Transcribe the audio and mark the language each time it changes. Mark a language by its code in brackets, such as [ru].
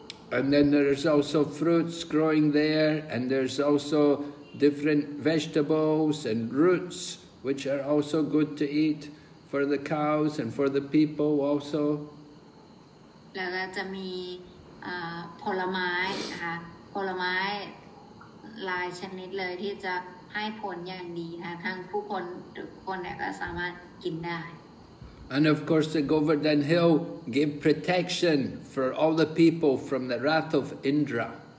[en] And then there's also fruits growing there and there's also different vegetables and roots which are also good to eat. For the cows and for the people also. [th] แล้วก็จะมีผลไม้นะคะผลไม้หลายชนิดเลยที่จะให้ผลอย่างดีนะทั้งผู้คนทุกคนเนี่ยก็สามารถกินได้. [en] And of course the Govardhan Hill gave protection for all the people from the wrath of Indra.